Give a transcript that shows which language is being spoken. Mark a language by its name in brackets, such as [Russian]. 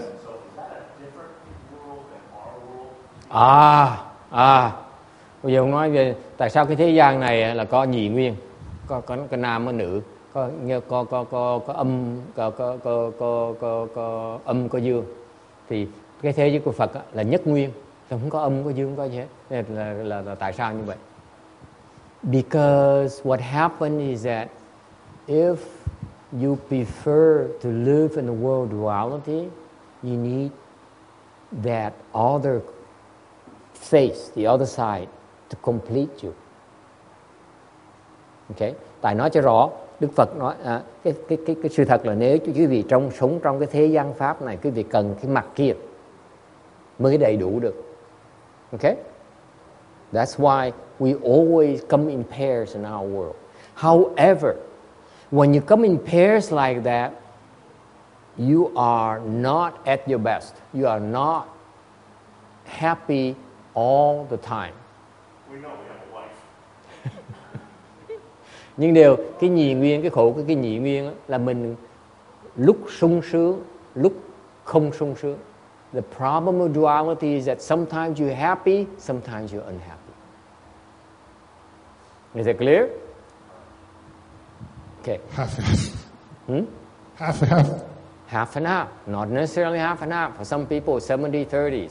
[English] So is that a different world than our world? [Vietnamese] Bây giờ nói về tại sao cái thế gian này là có nhị nguyên, có nam có nữ, có âm, có âm có dương. Thì cái thế giới của Phật là nhất nguyên, không có âm có dương không có gì hết. Là tại sao như vậy? [English] Because what happened is that if you prefer to live in the world duality, you need that other face, the other side, to complete you. Okay? [Vietnamese] Tại nói cho rõ, Đức Phật nói cái sự thật là nếu quý vị sống trong cái thế gian pháp này, quý vị cần cái mặt kia mới đầy đủ được. [English] Okay? That's why we always come in pairs in our world. However, when you come in pairs like that, you are not at your best. You are not happy all the time. We know we have a wife. [Vietnamese] Nhưng điều cái nhị nguyên, cái khổ của cái nhị nguyên là mình lúc sung sướng, lúc không sung sướng. [English] The problem of duality is that sometimes you're happy, sometimes you're unhappy. Is that clear? Okay. Half and half. Hmm? Half and half. Half and half. Not necessarily half and half. For some people, 70-30.